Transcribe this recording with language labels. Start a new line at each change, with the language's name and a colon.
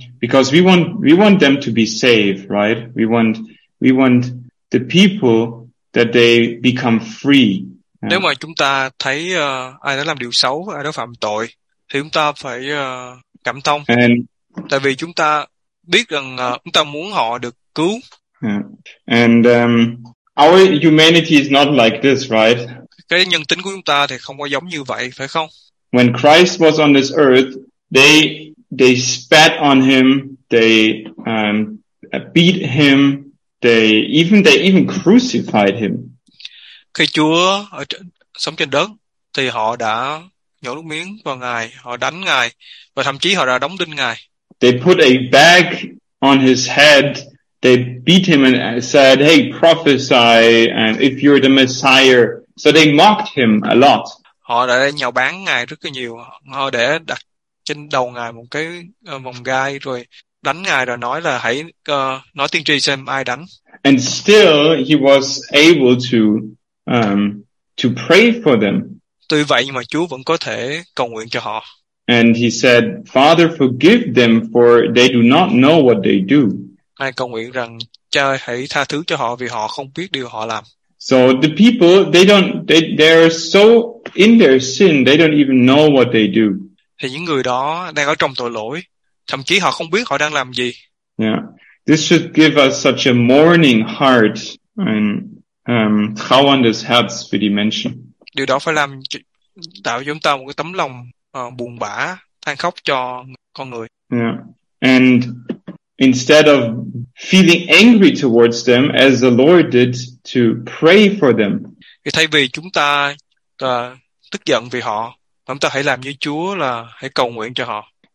English: Because we want them to be saved, right? We want the people that they become free. Yeah.
Vietnamese: Nếu mà chúng ta thấy ai đó làm điều xấu, ai đó phạm tội, thì chúng ta phải cảm thông.
English: And,
Vietnamese: tại vì chúng ta biết rằng chúng ta muốn họ được cứu.
English: Yeah. And our humanity is not like this, right?
Vietnamese: Cái nhân tính của chúng ta thì không có giống như vậy, phải không?
English: When Christ was on this earth, they spat on him, they beat him, they even crucified him.
Vietnamese: Khi Chúa sống trên đất thì họ đã nhổ nước miếng vào Ngài, họ đánh Ngài và thậm chí họ đã đóng đinh Ngài.
English: They put a bag on his head, they beat him and said, hey, prophesy and if you're the Messiah. So they mocked him a lot.
Vietnamese: Họ đã nhạo báng Ngài rất là nhiều. Họ để đặt trên đầu Ngài một cái vòng gai rồi đánh Ngài rồi nói là hãy nói tiên tri xem ai đánh.
English: And still he was able to pray for them.
Vietnamese: Tuy vậy mà Chúa vẫn có thể cầu nguyện cho họ.
English: And he said, Father, forgive them for they do not know what they do.
Vietnamese: Ai cầu nguyện rằng Cha hãy tha thứ cho họ vì họ không biết điều họ làm.
English: So the people, they are so in their sin, they don't even know what they do.
Vietnamese: Thì những người đó đang ở trong tội lỗi, thậm chí họ không biết họ đang làm gì.
English: Yeah. This should give us such a mourning heart and how on this helps with dimension.
Vietnamese: Điều đó phải làm tạo chúng ta một cái tấm lòng buồn bã, than khóc cho con người.
English: Yeah. And instead of feeling angry towards them as the Lord did, to pray for them.
Vietnamese: Thì thay vì chúng ta tức giận vì họ, chúng ta hãy làm như Chúa là hãy cầu nguyện cho họ.